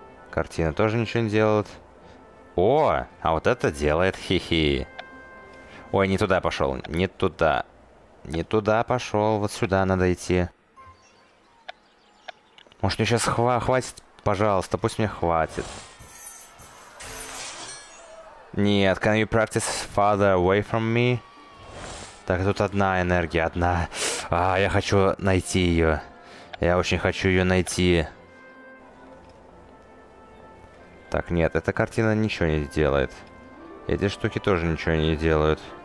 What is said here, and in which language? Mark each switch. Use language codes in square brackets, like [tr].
[ru] Картина тоже ничего не делает. О, а вот это делает, хи-хи. Ой, не туда пошел, не туда. Не туда пошел, вот сюда надо идти. Может, мне сейчас хватит... Пожалуйста, пусть мне хватит. Нет, [en] can you practice farther away from me? [ru] Так, тут одна энергия, одна. А, я хочу найти ее. Я очень хочу ее найти. Так, нет, эта картина ничего не делает. Эти штуки тоже ничего не делают.